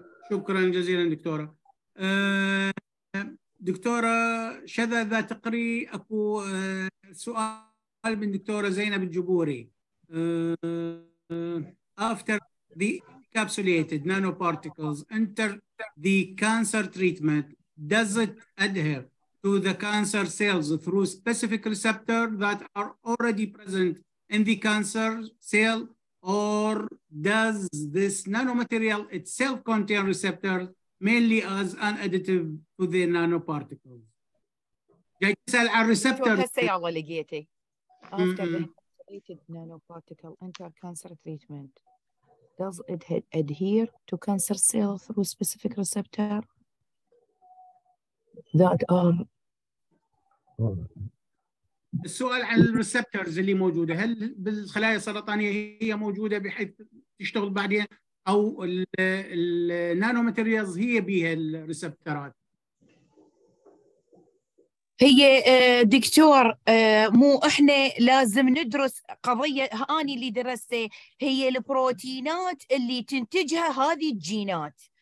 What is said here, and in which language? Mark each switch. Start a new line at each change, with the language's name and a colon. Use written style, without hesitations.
Arabic: شكرا جزيلا دكتوره. دكتورة شذا إذا تقري أكو سؤال من دكتورة زينب الجبوري.
English: After the encapsulated nanoparticles enter the cancer treatment, does it adhere to the cancer cells through specific receptors that are already present in the cancer cell, or does this nanomaterial itself contain receptors mainly as an additive to the nanoparticles؟
Arabic: جاي تسأل عن الريسبتور. هسه يلا لقيتي.
English: After the nanoparticle enter cancer treatment, does it adhere to cancer cell through specific receptor that are؟
Arabic: السؤال عن الريسبتورز اللي موجودة، هل بالخلايا السرطانية هي موجودة بحيث تشتغل بعدين؟ أو النانو ماتيريالز هي بها الريسبتورات؟ هي دكتور مو إحنا لازم ندرس قضية هاني اللي درسته، هي البروتينات اللي تنتجها هذه الجينات،